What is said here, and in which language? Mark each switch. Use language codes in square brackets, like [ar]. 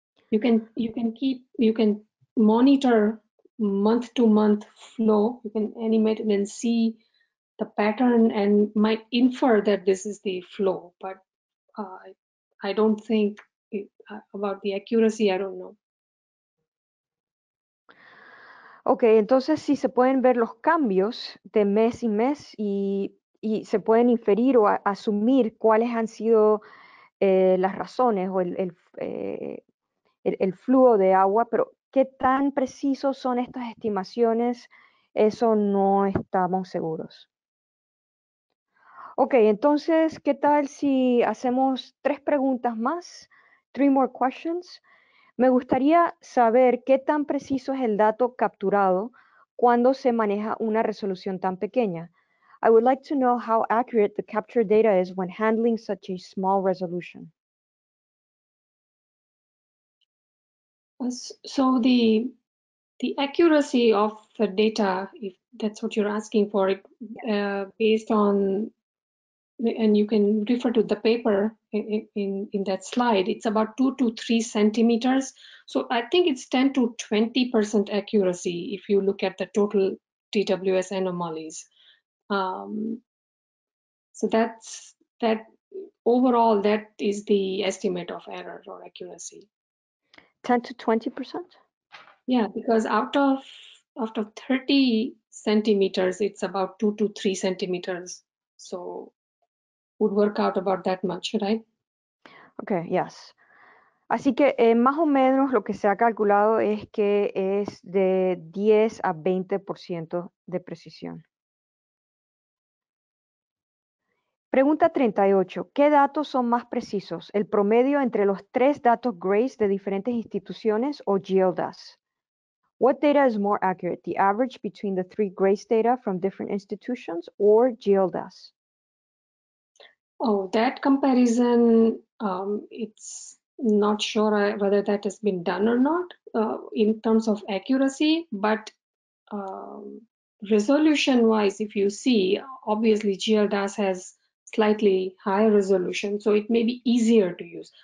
[en] You can monitor month-to-month flow. You can animate it and see the pattern and might infer that this is the flow, but I don't think about the accuracy, I don't know. [es] Ok, entonces sí se pueden ver los cambios de mes y mes y se pueden inferir o asumir cuáles han sido las razones o el flujo de agua, pero ¿qué tan precisos son estas estimaciones? Eso no estamos seguros. Ok, entonces, ¿qué tal si hacemos tres preguntas más? [en] Three more questions. [es] Me gustaría saber qué tan preciso es el dato capturado cuando se maneja una resolución tan pequeña. [en] I would like to know how accurate the captured data is when handling such a small resolution. So the accuracy of the data, if that's what you're asking for, based on and you can refer to the paper in that slide. It's about 2 to 3 centimeters. So I think it's 10 to 20% accuracy if you look at the total TWS anomalies. So that's that. Overall, that is the estimate of error or accuracy. 10 to 20%? Yeah, because out of 30 centimeters, it's about 2 to 3 centimeters. So would work out about that much, right? Okay, yes. [es] Así que más o menos lo que se ha calculado es que es de 10 a 20% de precisión. Pregunta 38. ¿Qué datos son más precisos? ¿El promedio entre los tres datos GRACE de diferentes instituciones o GLDAS? [en] What data is more accurate, the average between the three GRACE data from different institutions or GLDAS? Oh, that comparison, it's not sure whether that has been done or not in terms of accuracy, but resolution-wise, if you see, obviously GLDAS has slightly higher resolution, so it may be easier to use.